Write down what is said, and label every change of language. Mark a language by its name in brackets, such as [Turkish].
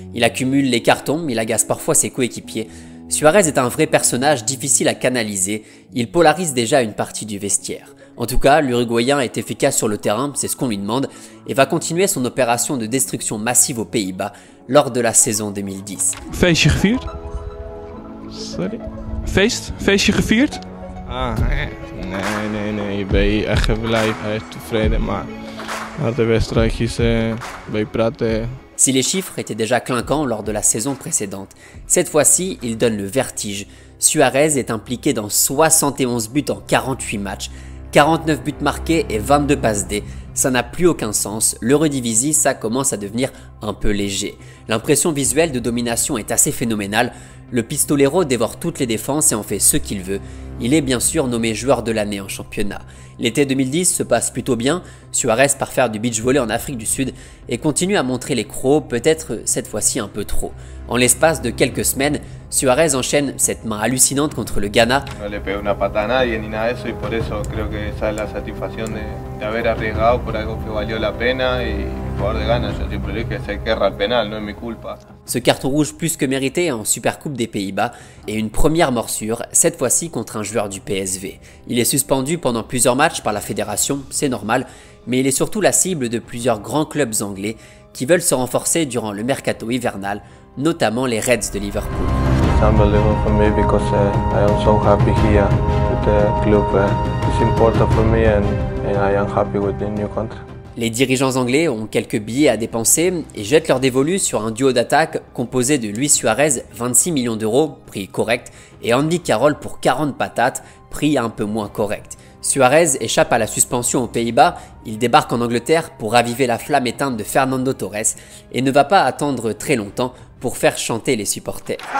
[French] Il accumule les cartons, il agace parfois ses coéquipiers. Suarez est un vrai personnage difficile à canaliser, il polarise déjà une partie du vestiaire. En tout cas, l'Uruguayen est efficace sur le terrain, c'est ce qu'on lui demande, et va continuer son opération de destruction massive aux Pays-Bas lors de la saison 2010. [Dutch] Feestje gevierd? Sorry? Feest? Feestje gevierd? Ah, nee, nee, nee, je bent echt blij, echt tevreden, maar na de wedstrijdjes ben je praten. [French] Si les chiffres étaient déjà clinquants lors de la saison précédente, cette fois-ci, ils donnent le vertige. Suarez est impliqué dans 71 buts en 48 matchs, 49 buts marqués et 22 passes D. Ça n'a plus aucun sens, l'Eredivisie, ça commence à devenir un peu léger. L'impression visuelle de domination est assez phénoménale, le Pistolero dévore toutes les défenses et en fait ce qu'il veut. Il est bien sûr nommé joueur de l'année en championnat. L'été 2010 se passe plutôt bien, Suarez part faire du beach volley en Afrique du Sud et continue à montrer les crocs, peut-être cette fois-ci un peu trop. En l'espace de quelques semaines, Suarez enchaîne cette main hallucinante contre le Ghana. [Spanish] No le pego una patada a nadie ni nada de eso y por eso creo que esa es la satisfacción de haber arriesgado por algo que valió la pena y jugar de Ghana, yo siempre dije que se querra el penal, no es mi culpa. [French] Ce carton rouge plus que mérité en Supercoupe des Pays-Bas et une première morsure, cette fois-ci contre un joueur du PSV. Il est suspendu pendant plusieurs matchs par la fédération, c'est normal, mais il est surtout la cible de plusieurs grands clubs anglais qui veulent se renforcer durant le mercato hivernal, notamment les Reds de Liverpool. [English] It's unbelievable for me because I am so happy here with the club. It's important for me and I am happy with the new contract. [French] Les dirigeants anglais ont quelques billets à dépenser et jettent leur dévolu sur un duo d'attaque composé de Luis Suarez, 26 millions d'euros, prix correct, et Andy Carroll pour 40 patates, prix un peu moins correct. Suarez échappe à la suspension aux Pays-Bas, il débarque en Angleterre pour raviver la flamme éteinte de Fernando Torres et ne va pas attendre très longtemps pour faire chanter les supporters.